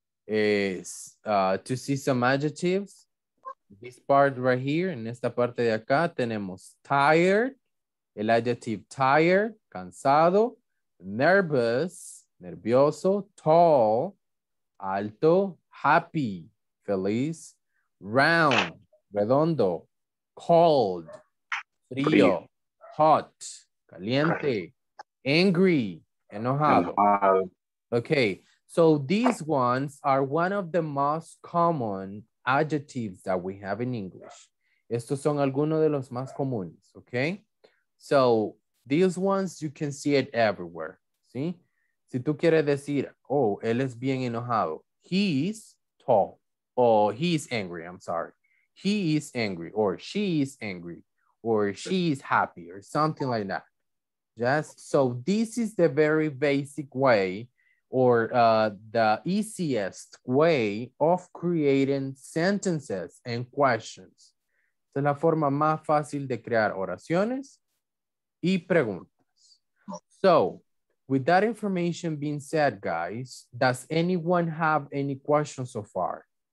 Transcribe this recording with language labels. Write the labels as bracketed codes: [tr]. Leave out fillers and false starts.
[en] is to see some adjectives. This part right here, [es] en esta parte de acá, tenemos [en] tired, el adjective tired, cansado, nervous, nervioso, tall, alto, happy, feliz, round, redondo, cold, frío, hot, caliente, angry, enojado. Okay, so these ones are one of the most common adjectives that we have in English. [es] Estos son algunos de los más comunes, okay? [en] So these ones, you can see it everywhere, ¿sí? [es] Si tú quieres decir, oh, él es bien enojado, [en] he's tall, or he's angry, I'm sorry. He is angry, or she is angry, or she is happy, or something like that. Yes, so this is the very basic way, or the easiest way of creating sentences and questions. [es] Esta es la forma más fácil de crear oraciones y preguntas. [en] So, with that information being said, guys, does anyone have any questions so far?